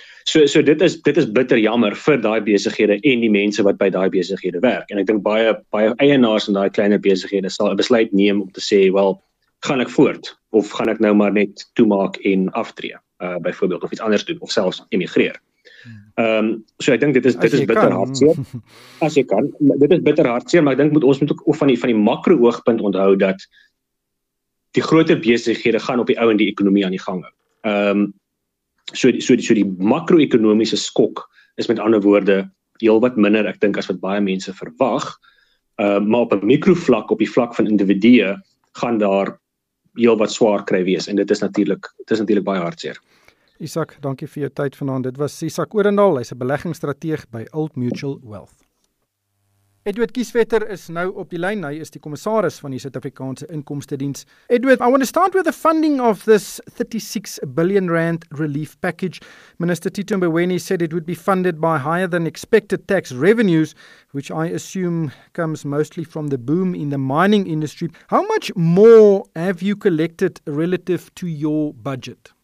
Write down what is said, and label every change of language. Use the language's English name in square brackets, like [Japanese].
[Afrikaans] So dit is bitter jammer vir daai besighede en die mense wat by daai besighede werk. En ek dink baie eienaars in daai kleiner besighede sal 'n besluit neem om te sê, "Wel, gaan ek voort of gaan ek nou maar net toemaak en aftree?" Byvoorbeeld of iets anders doen of selfs emigreer. So ek dink dit is bitter hartseer. As jy kan, dit is bitter hartseer, maar ek dink ons moet ook of van die makro oogpunt onthou dat die groter besighede gaan op die ou en die ekonomie aan die gang hou. So die makro-ekonomiese skok is met ander woorde heelwat minder, ek dink, as wat baie mense verwag. Maar op 'n mikrovlak, op die vlak van individue, gaan daar heelwat swaar kry wees en dit is natuurlik baie hartseer. Isak, dankie vir jou tyd vanaand. Dit was Isak Orendal, hy's 'n beleggingsstrateeg by Old Mutual Wealth. Edward Kieswetter is nou op die lyn. Hy is die kommissaris van die Suid-Afrikaanse Inkomstediens. [English] Edward, I want to start with the funding of this 36 billion rand relief package. Minister Tito Mboweni said it would be funded by higher than expected tax revenues, which I assume comes mostly from the boom in the mining industry. How much more have you collected relative to your budget?